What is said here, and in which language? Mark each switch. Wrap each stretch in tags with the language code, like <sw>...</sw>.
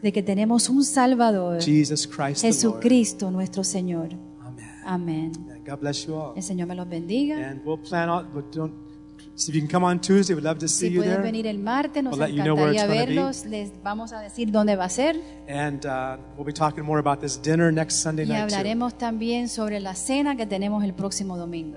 <es>De que tenemos un Salvador,</es> <en>Jesus Christ,</en> <es>Jesucristo, nuestro Señor.</es> <en>Amén. God bless you all.</en> <es>El Señor me los bendiga.</es> <en>And we'll plan out, but don't. So if you can come on Tuesday, we'd love to see</en> <es>si</es> <en>you there.</en> <es>Si pueden venir el martes, nos</es> <en>we'll</en> <es>encantaría</es> <en>you know</en> <es>verlos. Les vamos a decir dónde va a ser.</es> <en>And we'll be talking more about this dinner next Sunday night.</en> <es>Y hablaremos</es> <en>too.</en> <es>También sobre la cena que tenemos el próximo domingo.</es>